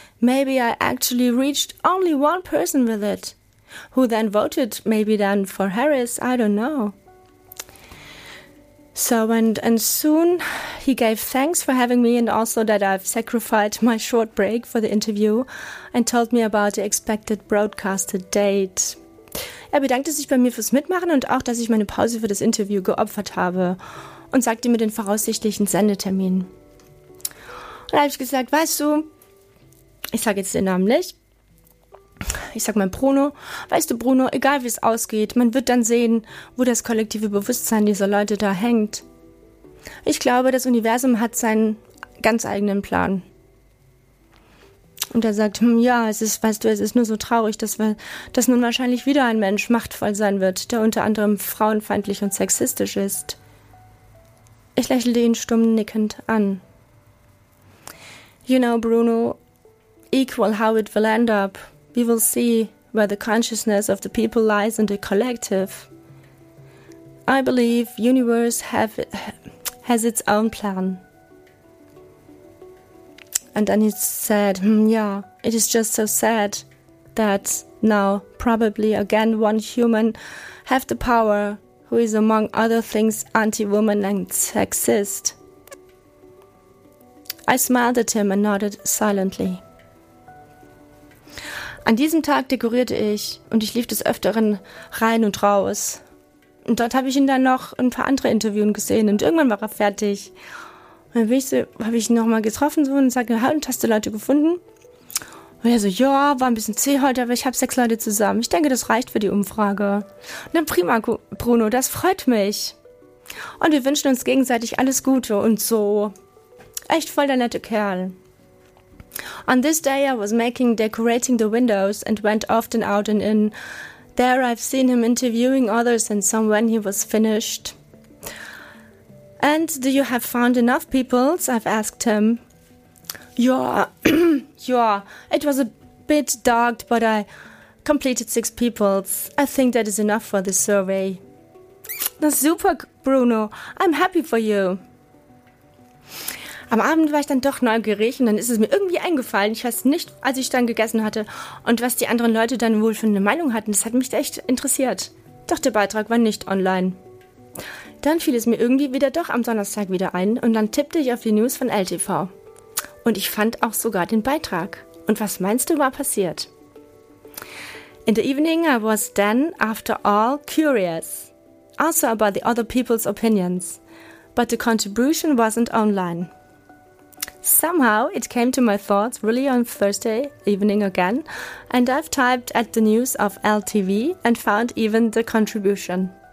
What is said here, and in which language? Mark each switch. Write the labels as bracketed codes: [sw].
[en] Maybe I actually reached only one person with it, who then voted maybe then for Harris. I don't know. So and soon he gave thanks for having me, and also that I've sacrificed my short break for the interview, and told me about the expected broadcasted date. [de] Bedankte sich bei mir fürs Mitmachen und auch, dass ich meine Pause für das Interview geopfert habe, und sagte mir den voraussichtlichen Sendetermin. Und da habe ich gesagt, weißt du, ich sage jetzt den Namen nicht, ich sage mein Bruno, weißt du Bruno, egal wie es ausgeht, man wird dann sehen, wo das kollektive Bewusstsein dieser Leute da hängt. Ich glaube, das Universum hat seinen ganz eigenen Plan. Und er sagt, ja, es ist, weißt du, es ist nur so traurig, dass nun wahrscheinlich wieder ein Mensch machtvoll sein wird, der unter anderem frauenfeindlich und sexistisch ist. Ich lächelte ihn stumm nickend an. [en] You know, Bruno, equal how it will end up, we will see where the consciousness of the people lies in the collective. I believe universe has its own plan. And then he said, yeah, it is just so sad that now probably again one human have the power who is, among other things, anti-woman and sexist. I smiled at him and nodded silently. [de] An diesem Tag dekorierte ich und ich lief des Öfteren rein und raus. Und dort habe ich ihn dann noch ein paar andere Interviews gesehen und irgendwann war er fertig. Und dann habe ich ihn nochmal getroffen so, und sagte, hast du Leute gefunden? Und er so, ja, war ein bisschen zäh heute, aber ich habe 6 Leute zusammen. Ich denke, das reicht für die Umfrage. Na prima, Bruno, das freut mich. Und wir wünschen uns gegenseitig alles Gute und so. Echt voll der nette Kerl. [en] On this day I was decorating the windows and went often out and in. There I've seen him interviewing others and some when he was finished. And do you have found enough people? I've asked him. Yeah, it was a bit dark, but I completed 6 people. I think that is enough for this survey. [de] Das ist super, [en] Bruno. I'm happy for you. [de] Am Abend war ich dann doch neugierig und dann ist es mir irgendwie eingefallen. Ich weiß nicht, als ich dann gegessen hatte und was die anderen Leute dann wohl für eine Meinung hatten. Das hat mich echt interessiert. Doch der Beitrag war nicht online. Dann fiel es mir irgendwie wieder doch am Donnerstag wieder ein und dann tippte ich auf die News von LTV. Und ich fand auch sogar den Beitrag. Und was meinst du, war passiert? [en] In the evening I was then, after all, curious. Also about the other people's opinions. But the contribution wasn't online. Somehow it came to my thoughts really on Thursday evening again. And I've typed at the news of LTV and found even the contribution.